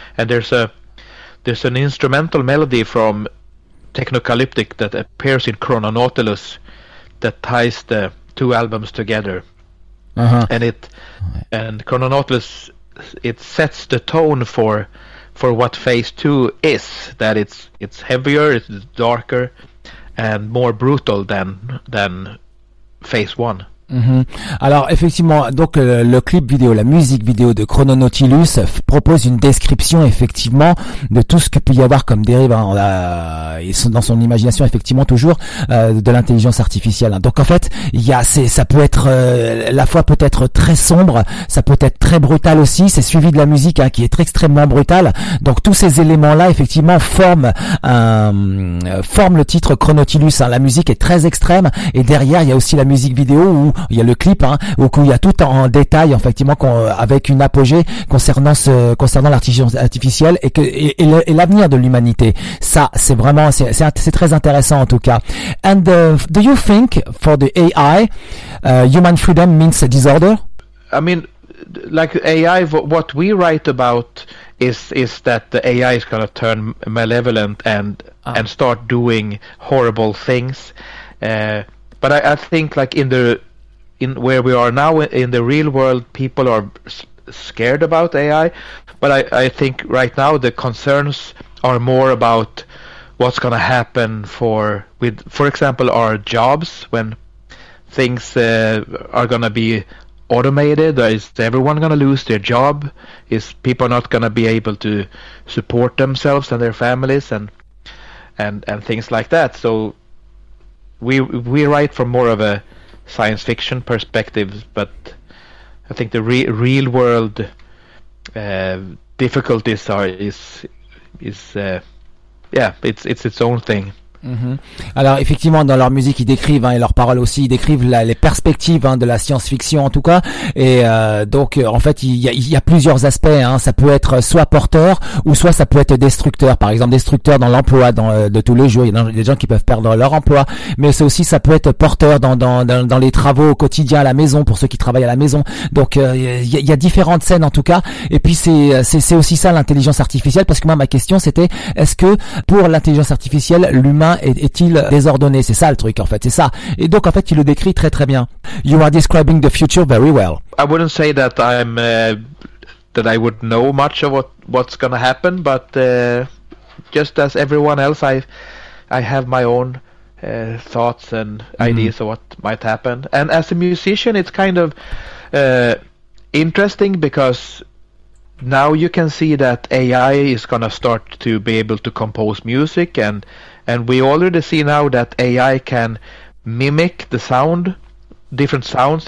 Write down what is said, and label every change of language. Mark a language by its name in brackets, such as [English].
[English] And there's an instrumental melody from Technocalyptic that appears in Chrononautilus that ties the two albums together. Uh-huh. And Chrononautilus, it sets the tone for what phase two is, that it's heavier, it's darker, and more brutal than phase one. Mm-hmm. [French] Alors effectivement, donc le clip vidéo, la musique vidéo de Chrononautilus propose une description effectivement de tout ce que peut y avoir comme dérive dans son imagination effectivement toujours de l'intelligence artificielle. Donc en fait, ça peut être la fois peut être très sombre, ça peut être très brutal aussi. C'est suivi de la musique qui est extrêmement brutale. Donc tous ces éléments là effectivement forment le titre Chrononautilus. Hein. La musique est très extrême et derrière il y a aussi la musique vidéo où il y a le clip où il y a tout en détail effectivement avec une apogée concernant l'intelligence artificielle et l'avenir de l'humanité. Ça c'est vraiment c'est très intéressant en tout cas. [English] And do you think for the AI human freedom means a disorder? I mean, like AI, what we write about is that the AI is going to turn malevolent and start doing horrible things, but I think like in where we are now in the real world, people are scared about AI, but I think right now the concerns are more about what's going to happen for example, our jobs when things are going to be automated. Is everyone going to lose their job? Is people not going to be able to support themselves and their families and things like that? So we write from more of a science fiction perspective, but I think the real world difficulties are it's its own thing. Mmh. [French] Alors effectivement, dans leur musique, ils décrivent, hein, et leurs paroles aussi, ils décrivent les perspectives, hein, de la science-fiction en tout cas. Et donc en fait, il y a plusieurs aspects, hein. Ça peut être soit porteur ou soit ça peut être destructeur. Par exemple, destructeur dans l'emploi, de tous les jours, il y a des gens qui peuvent perdre leur emploi. Mais c'est aussi, ça peut être porteur dans les travaux au quotidien à la maison, pour ceux qui travaillent à la maison. Donc il y a différentes scènes en tout cas. Et puis c'est aussi ça, l'intelligence artificielle, parce que moi, ma question, c'était: est-ce que pour l'intelligence artificielle, l'humain est-il désordonné? C'est ça le truc, en fait, c'est ça. Et donc, en fait, tu le décris très très bien. [English] You are describing the future very well. I wouldn't say that I'm that I would know much of what's going to happen, but just as everyone else, I have my own thoughts and ideas of what might happen. And as a musician, it's kind of interesting, because now you can see that AI is going to start to be able to compose music, and we already see now that AI can mimic the sound, different sounds.